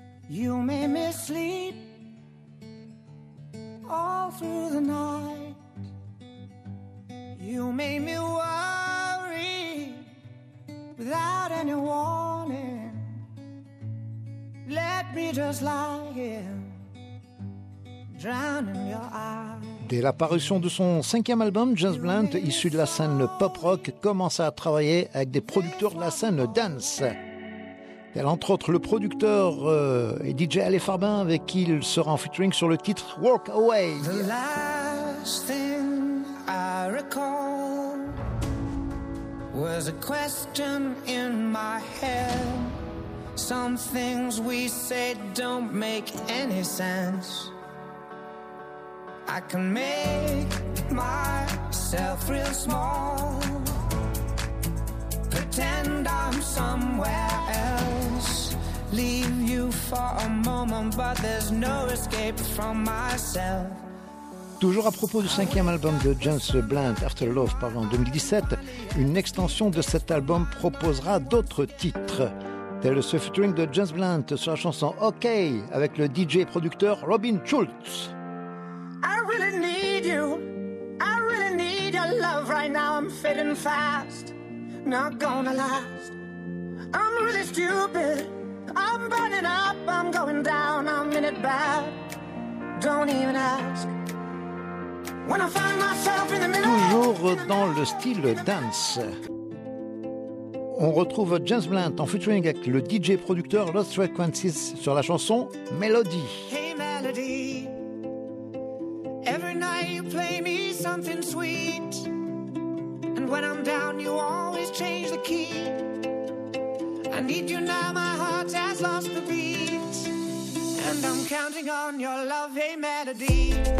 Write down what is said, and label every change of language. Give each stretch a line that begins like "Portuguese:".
English: You made me sleep all through the night. You made me worry without any warning. Let me just lie here, drown in your eyes.
French: Dès l'apparition de son cinquième album, James Blunt, issu de la scène pop-rock, commença à travailler avec des producteurs de la scène dance. Tel entre autres le producteur et DJ Alain Farbin, avec qui il sera en featuring sur le titre Walk Away.
English: The last thing I recall was a question in my head. Some things we say don't make any sense. I can make myself real small, pretend I'm somewhere else, leave you for a moment, but there's no escape from myself.
French: Toujours à propos du cinquième album de James Blunt, After Love, paru en 2017, une extension de cet album proposera d'autres titres. Tel ce featuring de James Blunt sur la chanson OK avec le DJ et producteur Robin Schulz.
English: I really need your love right now. I'm fading fast, not gonna last. I'm really stupid, I'm burning up, I'm going down, I'm in it bad. Don't even ask. When I find myself in the middle.
French: Toujours dans le style dance, on retrouve James Blunt en featuring avec le DJ producteur Lost Frequencies sur la chanson Melody.
English: Hey Melody, every night you play me something sweet, and when I'm down you always change the key. I need you now, my heart has lost the beat, and I'm counting on your love, hey Melody.